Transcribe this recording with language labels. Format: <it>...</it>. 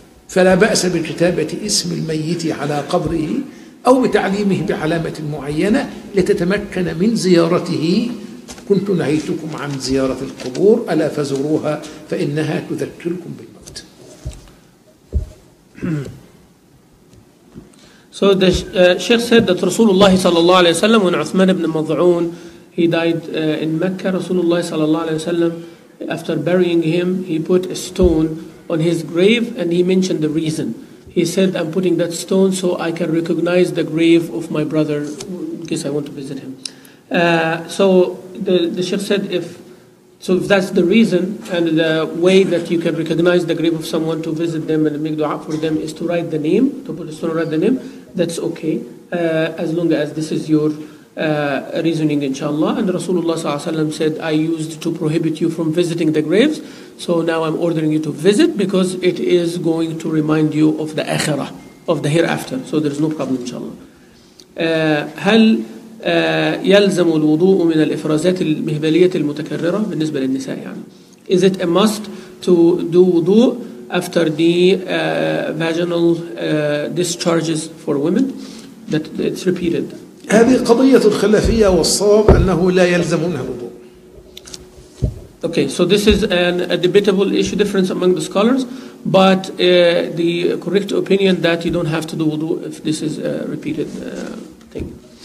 <ar>فلا بأس بكتابة اسم الميت على قبره أو بتعليمه بعلامة معينة لتتمكن من زيارته. كنت نهيتكم عن زيارة القبور ألا فزوروها فإنها تذكركم بالموت.</ar> <en>So the Sheikh said that Rasulullah صلى الله عليه وسلم, when Uthman ibn Maz'un, he died in Mecca, Rasulullah صلى الله عليه وسلم, after burying him, he put a stone on his grave and he mentioned the reason. He said, I'm putting that stone so I can recognize the grave of my brother in case I want to visit him. So the Sheikh said, if that's the reason and the way that you can recognize the grave of someone to visit them and make dua for them is to write the name, to put a stone and write the name, that's okay, as long as this is your reasoning, inshallah. And Rasulullah صلى الله عليه وسلم said, I used to prohibit you from visiting the graves, so now I'm ordering you to visit because it is going to remind you of the akhirah, of the hereafter. So there's no problem, inshallah.</en> <ar>هل يلزم الوضوء من الإفرازات المهبلية المتكررة بالنسبة للنساء يعني.</ar> <en>Is it a must to do wudu after the vaginal discharges for women that it's repeated?</en> <ar>هذه قضية الخلافية والصواب أنه لا يلزمونها الوضوء.</ar> <en>Okay, so this is a debatable issue, difference among the scholars, but the correct opinion that you don't have to do wudu if this is a repeated thing.</en>